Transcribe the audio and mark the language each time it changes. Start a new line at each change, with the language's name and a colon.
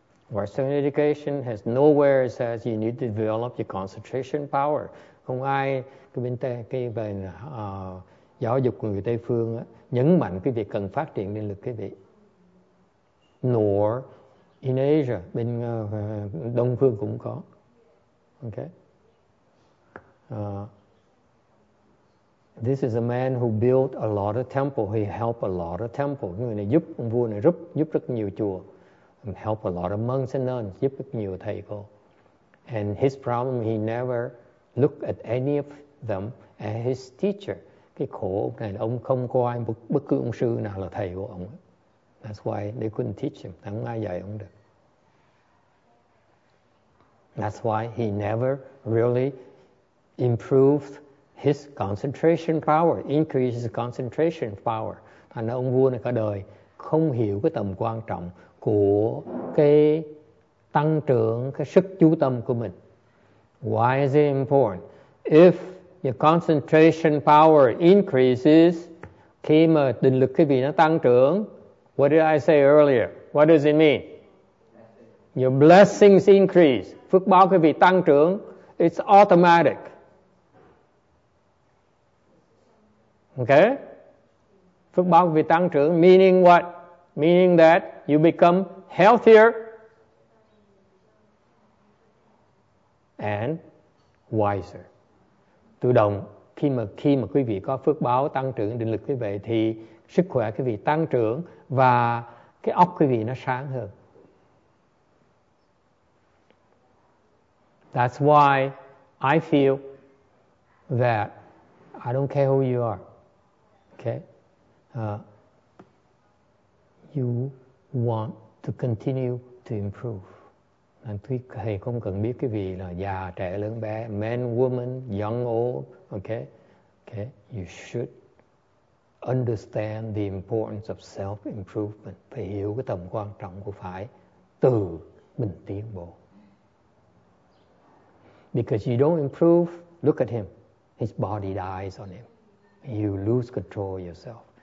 English: Western education has nowhere says you need to develop your concentration power.
Vietnamese: Không ai cái bên tây cái về giáo dục của người Tây phương nhấn mạnh cái việc cần phát triển năng lực cái vị.
English: Nor in Asia,
Vietnamese: bên Đông phương cũng có.
English: Okay. This is a man who built a lot of temple. He helped a lot of temple.
Vietnamese: Người này giúp ông vua này giúp rất nhiều chùa.
English: Help a lot of monks and nuns,
Vietnamese: giúp rất nhiều thầy cô.
English: And his problem, he never looked at any of them as his teacher.
Vietnamese: Cái khổ này là ông không coi bất cứ ông sư nào là thầy của ông.
English: That's why they couldn't teach him.
Vietnamese: Không ai dạy ông được.
English: That's why he never really improved his concentration power, increased his concentration power.
Vietnamese: Thành ông vua này cả đời không hiểu cái tầm quan trọng của cái tăng trưởng cái sức chú tâm của mình.
English: Why is it important? If your concentration power increases,
Vietnamese: khi mà định lực cái vị nó tăng trưởng,
English: what did I say earlier? What does it mean? Your blessings increase.
Vietnamese: Phước báo cái vị tăng trưởng.
English: It's automatic.
Vietnamese: Okay? Phước báo cái vị tăng trưởng
English: meaning what? Meaning that you become healthier and wiser.
Vietnamese: Tự động khi mà quý vị có phước báo tăng trưởng định lực quý vị thì sức khỏe quý vị tăng trưởng và cái óc quý vị nó sáng hơn.
English: That's why I feel that I don't care who you are. Okay? You want to continue to improve.
Vietnamese: And tôi thầy không cần biết cái vị là già trẻ lớn bé,
English: men, women, young, old,
Vietnamese: okay?
English: You should understand the importance of self-improvement.
Vietnamese: Phải hiểu cái tầm quan trọng của phải tự mình tiến bộ.
English: Because you don't improve, look at him. His body dies on him. You lose control yourself.